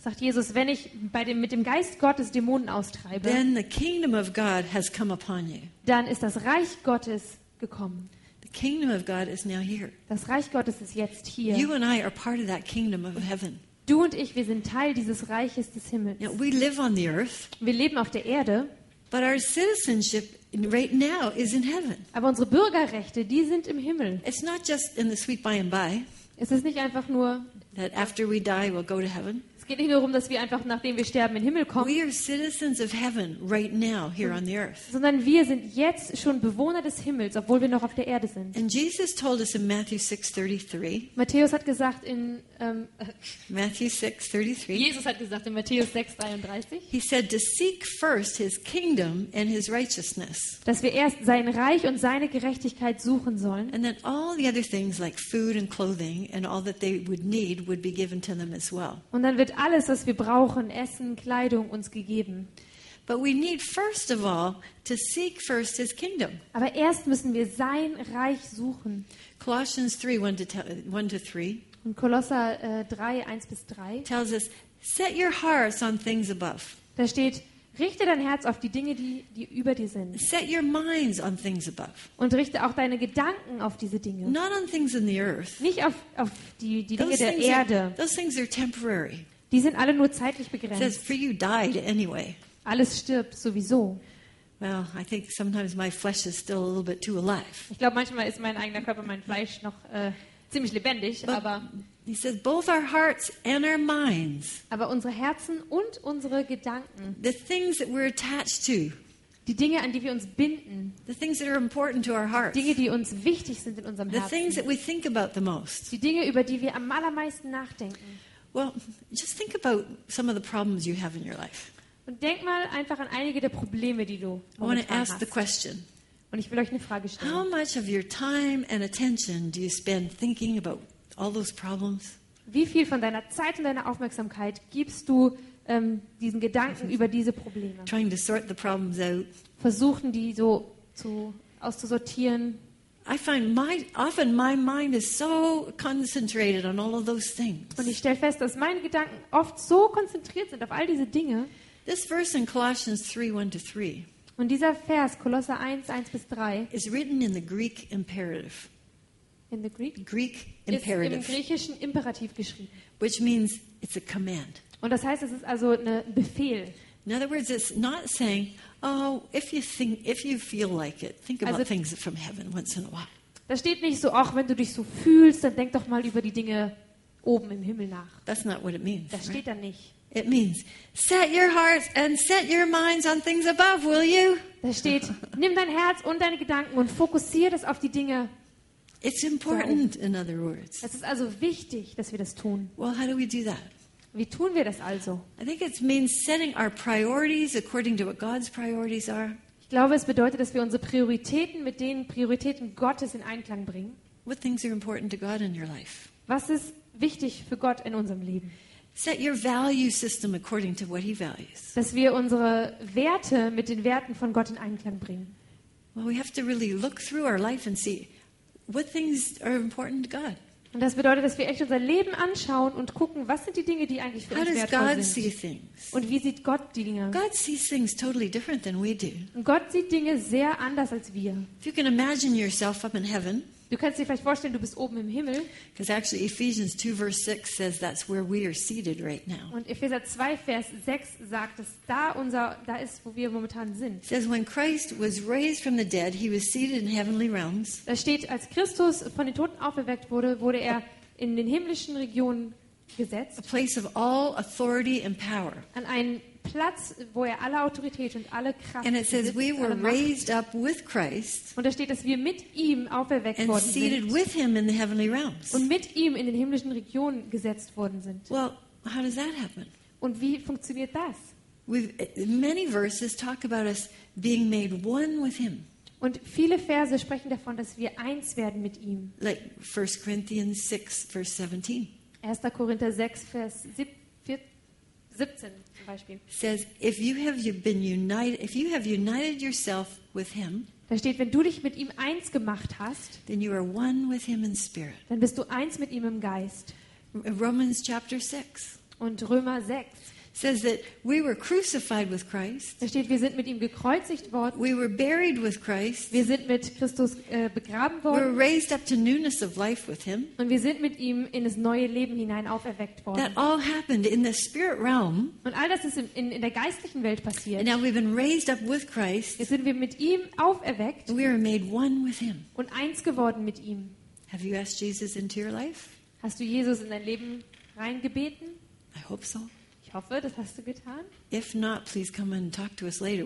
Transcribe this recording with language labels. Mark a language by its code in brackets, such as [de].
[de] Sagt Jesus, wenn ich mit dem Geist Gottes Dämonen austreibe. [en] Then the kingdom of God has come upon you. [de] Dann ist das Reich Gottes gekommen. [en] The kingdom of God is now here. [de] Das Reich Gottes ist jetzt hier. [en] You and I are part of that kingdom of heaven. [de] Du und ich, wir sind Teil dieses Reiches des Himmels. [en] Now, we live on the earth. [de] Wir leben auf der Erde. [en] But our citizenship right now is in heaven. [de] Aber unsere Bürgerrechte, die sind im Himmel. [en] It's not just in the sweet by and by. [de] Es ist nicht einfach nur [en] that after we die we'll go to heaven. [de] Es geht nicht nur darum, dass wir einfach nachdem wir sterben in den Himmel kommen. [en] We are citizens of heaven right now here on the earth. [de] Sondern wir sind jetzt schon Bewohner des Himmels, obwohl wir noch auf der Erde sind. [en] And Jesus told us in Matthew 6:33. [de] Matthäus hat gesagt in [en] Matthew 6:33. [de] Jesus hat gesagt in Matthäus 6:33. [en] He said to seek first his kingdom and his righteousness. [de] Dass wir erst sein Reich und seine Gerechtigkeit suchen sollen. [en] And then all the other things like food and clothing and all that they would need would be given to them as well. [de] Und dann wird alles, was wir brauchen, Essen, Kleidung, uns gegeben. [en] But we need first of all to seek first his kingdom. [de] Aber erst müssen wir sein Reich suchen. [en] Colossians 3:1-3. [de] Und Kolosser 3:1-3 [en] tells us, set your hearts on things above. [de] Da steht, richte dein Herz auf die Dinge, die über dir sind. [en] Set your minds on things above. [de] Und richte auch deine Gedanken auf diese Dinge. [en] Not on things in the earth. [de] Nicht auf die Dinge der Erde. [en] Those things are temporary. [de] Die sind alle nur zeitlich begrenzt. [en] It says, for you died anyway. [de] Alles stirbt sowieso. [en] Well, I think sometimes my flesh is still a little bit too alive. [de] Ich glaube, manchmal ist mein eigener Körper, mein Fleisch noch ziemlich lebendig, but, aber [en] he says both our hearts and our minds. [de] Aber unsere Herzen und unsere Gedanken. [en] The things that we're attached to. [de] Die Dinge, an die wir uns binden. [en] The things that are important to our hearts. [de] Dinge, die uns wichtig sind in unserem Herzen. [en] The things that we think about the most. [de] Die Dinge, über die wir am allermeisten nachdenken. [en] Well, just think about some of the problems you have in your life. [de] Und denk mal einfach an einige der Probleme, die du momentan hast. [en] I want to ask the question. [de] Und ich will euch eine Frage stellen. [en] How much of your time and attention do you spend thinking about all those problems? [de] Wie viel von deiner Zeit und deiner Aufmerksamkeit gibst du diesen Gedanken über diese Probleme? [en] Trying to sort the problems out. [de] Versuchen die so auszusortieren. [en] I find often my mind is so concentrated on all of those things. [de] Und ich stelle fest, dass meine Gedanken oft so konzentriert sind auf all diese Dinge. [en] This verse in Colossians 3:1-3. [de] Und dieser Vers Kolosser 1:1-3 [en] is written in the Greek imperative. In the Greek? Greek imperative. [de] Ist im griechischen Imperativ geschrieben. [en] Which means it's a command. [de] Und das heißt, es ist also ein Befehl. [en] In other words, it's not saying, oh, if you feel like it, think about things from heaven once in a while. [de] Da steht nicht so, ach, wenn du dich so fühlst, dann denk doch mal über die Dinge oben im Himmel nach. [en] That's not what it means. [de] Das steht da nicht. [en] It means set your hearts and set your minds on things above, will you? [de] Da steht, nimm dein Herz und deine Gedanken und fokussiere das auf die Dinge. [en] It's important, in other words. [de] Es ist also wichtig, dass wir das tun. [en] Well, how do we do that? [de] Wie tun wir das also? [en] I think it means setting our priorities according to what God's priorities are. [de] Ich glaube, es bedeutet, dass wir unsere Prioritäten mit den Prioritäten Gottes in Einklang bringen. [en] What things are important to God in your life? [de] Was ist wichtig für Gott in unserem Leben? [en] Set your value system according to what he values. [de] Dass wir unsere Werte mit den Werten von Gott in Einklang bringen. [en] Well, we have to really look through our life and see what things are important to God. [de] Und das bedeutet, dass wir echt unser Leben anschauen und gucken, was sind die Dinge, die eigentlich für uns wertvoll sind. [en] How does God see things? [de] Und wie sieht Gott die Dinge? [en] God sees things totally different than we do. [de] Und Gott sieht Dinge sehr anders als wir. [en] If you can imagine yourself up in heaven. [de] Du kannst dir vielleicht vorstellen, du bist oben im Himmel. [en] Because actually Ephesians 2:6 says that's where we are seated right now. [de] Und Epheser 2:6 sagt, dass da ist, wo wir momentan sind. [en] It says when Christ was raised from the dead, he was seated in heavenly realms. [de] Da steht, als Christus von den Toten auferweckt wurde, wurde er in den himmlischen Regionen gesetzt. [en] A place of all authority and power. [de] An einen Platz, wo er alle Autorität und alle Kraft [en] and it says we were raised up with Christ. [de] Und da steht, dass wir mit ihm auferweckt [en] and [de] worden sind. [en] Seated with him in the heavenly realms. [de] Und mit ihm in den himmlischen Regionen gesetzt worden sind. [en] Well, how does that happen? [de] Und wie funktioniert das? [en] Many verses talk about us being made one with him. [de] Und viele Verse sprechen davon, dass wir eins werden mit ihm. [en] Like 1 Corinthians 6:17. [de] 1 Korinther 6:17. [en] Says if you have been united, if you have united yourself with him, [de] da steht, wenn du dich mit ihm eins gemacht hast, [en] then you are one with him in spirit. [de] Dann bist du eins mit ihm im Geist. [en] Romans 6. [de] Und Römer 6. [en] Says that we were crucified with Christ. [de] Da steht, wir sind mit ihm gekreuzigt worden. [en] We were buried with Christ. [de] Wir sind mit Christus begraben worden. [en] We were raised up to newness of life with him. [de] Und wir sind mit ihm in das neue Leben hinein auferweckt worden. [en] That all happened in the spirit realm. [de] Und all das ist in der geistlichen Welt passiert. [en] And now we've been raised up with Christ. [de] Jetzt sind wir mit ihm auferweckt. [en] We are made one with him. [de] Und eins geworden mit ihm. [en] Have you asked Jesus into your life? [de] Hast du Jesus in dein Leben reingebeten? [en] I hope so. [de] Ich hoffe, das hast du getan. [en] If not, please come and talk to us later.